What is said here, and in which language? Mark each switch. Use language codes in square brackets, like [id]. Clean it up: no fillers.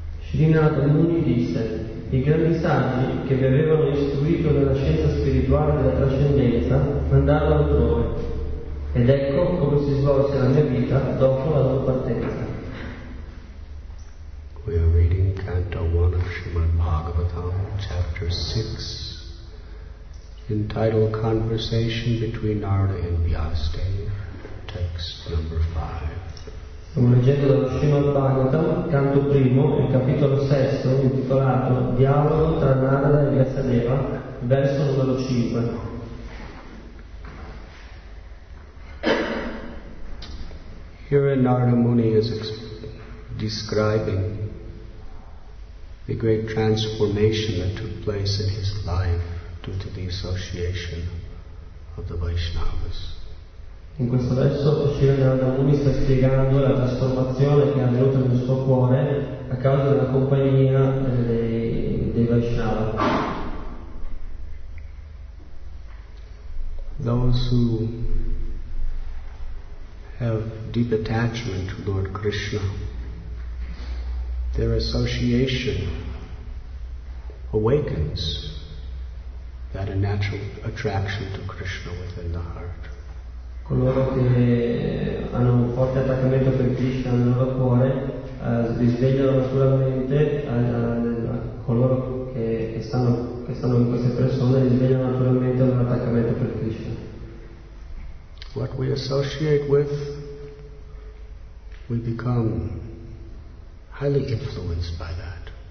[it] Srinatha Muni disse, I grandi saggi che mi avevano istruito nella scienza spirituale della trascendenza andarono altrove, ed ecco come si svolse la mia vita dopo la loro partenza. [en] We are reading Canto 1 of Srimad Bhagavatam, Chapter 6, entitled Conversation Between Narada and Vyasadeva, Text Number 5. [it] Stiamo leggendo dallo Srimad Bhagavatam, Canto 1, il capitolo 6, intitolato Dialogo tra Narada e Vyasadeva, verso numero 5. [en] Here Narada Muni is describing the great transformation that took place in his life due to the association of the Vaishnavas. [it] In questo verso Srila Narada Muni sta spiegando la trasformazione che è avvenuta nel suo cuore a causa della compagnia dei Vaishnava. [en] Those who have deep attachment to Lord Krishna, their association awakens that a natural attraction to Krishna within the heart. [it] Coloro che hanno un forte attaccamento per Krishna nel loro cuore risvegliano naturalmente coloro che stanno in queste persone risvegliano naturalmente un attaccamento per Krishna. [en] What we associate with, we become highly influenced by that.